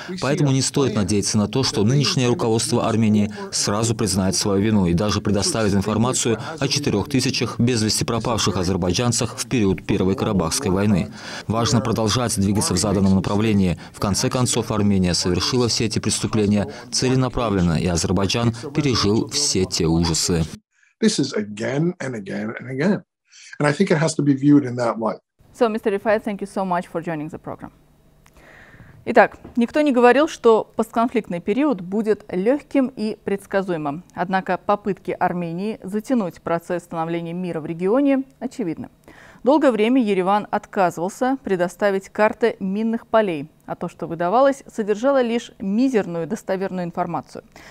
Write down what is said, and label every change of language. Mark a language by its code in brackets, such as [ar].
[ru] Поэтому не стоит надеяться на то, что нынешнее руководство Армении сразу признает свою вину и даже предоставит информацию о 4000 без вести пропавших азербайджанцах в период Первой Карабахской войны. Важно продолжать двигаться в заданном направлении. В конце концов, Армения совершила все эти преступления целенаправленно, и Азербайджан пережил все те ужасы. [en] This is again and again and again. And I think it has to be viewed in that light. So, Mr. Rifai, thank you so much for joining the program. [ru] Итак, никто не говорил, что постконфликтный период будет легким и предсказуемым. Однако попытки Армении затянуть процесс становления мира в регионе очевидны. Долгое время Ереван отказывался предоставить карты минных полей, а то, что выдавалось, содержало лишь мизерную достоверную информацию.